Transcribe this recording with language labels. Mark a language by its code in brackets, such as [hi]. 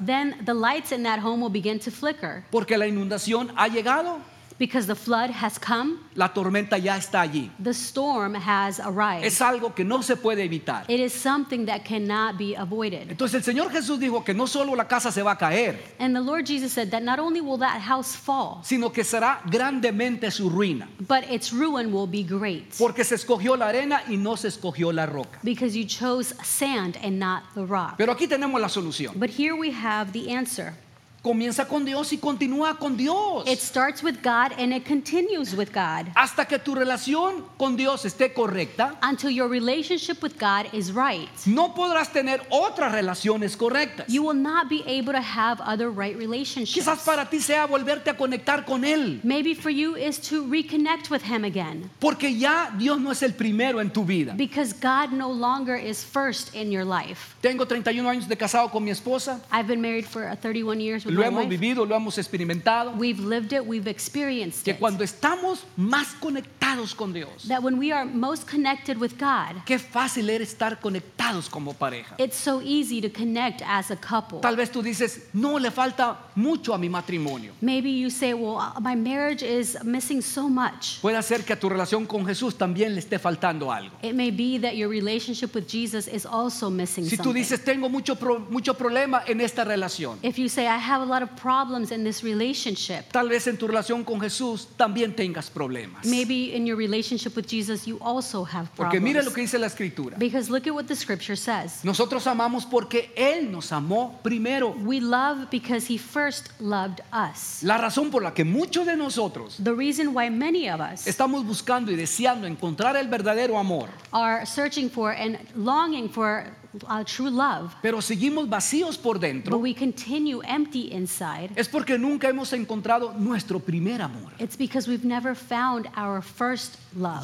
[en] Then the lights in that home will begin to flicker. [es] Porque la inundación ha llegado. [en] Because the flood has come. [es] La tormenta ya está allí. [en] The storm has arrived. [es] Es algo que no se puede evitar. [en] It is something that cannot be avoided. [es] Entonces el Señor Jesús dijo que no solo la casa se va a caer, [en] and the Lord Jesus said that not only will that house fall, [es] sino que será grandemente su ruina, [en] but its ruin will be great. [es] Porque se escogió la arena y no se escogió la roca. [en] Because you chose sand and not the rock. [es] Pero aquí tenemos la solución. [en] But here we have the answer. [es] Comienza con Dios y continúa con Dios. [en] It starts with God and it continues with God. [es] Hasta que tu relación con Dios esté correcta. [en] Until your relationship with God is right. [es] No podrás tener otras relaciones correctas. [en] You will not be able to have other right relationships. [es] Quizás para ti sea volverte a conectar con Él. [en] Maybe for you is to reconnect with Him again. [es] Porque ya Dios no es el primero en tu vida. [en] Because God no longer is first in your life. [es] Tengo 31 años de casado con mi esposa. [en] I've been married for 31 years. [es] Lo hemos vivido, lo hemos experimentado. [en] We've lived it, we've experienced it. [es] Que cuando estamos más conectados con Dios, [en] that when we are most connected with God, [es] qué fácil es estar conectados como pareja. [en] It's so easy to connect as a couple. [es] Tal vez tú dices, no le falta mucho a mi matrimonio. [en] Maybe you say, well, my marriage is missing so much. [es] Puede ser que a tu relación con Jesús también le esté faltando algo. [en] It may be that your relationship with Jesus is also missing something. [es] Si tú dices, tengo mucho problema en esta relación. [en] If you say, I have a lot of problems in this relationship. [es] Tal vez en tu relación con Jesús también tengas problemas. [en] Maybe in your relationship with Jesus you also have problems. [es] Porque mira lo que dice la escritura. [en] Because look at what the scripture says. [es] Nosotros amamos porque Él nos amó primero. [en] We love because He first loved us. [es] La razón por la que muchos de nosotros, [en] the reason why many of us, [es] estamos buscando y deseando encontrar el verdadero amor, [en] are searching for and longing for true love. [es] Pero seguimos vacíos por dentro. [en] But we continue empty inside. [es] Es porque nunca hemos encontrado nuestro primer amor. [en] It's because we've never found our first love.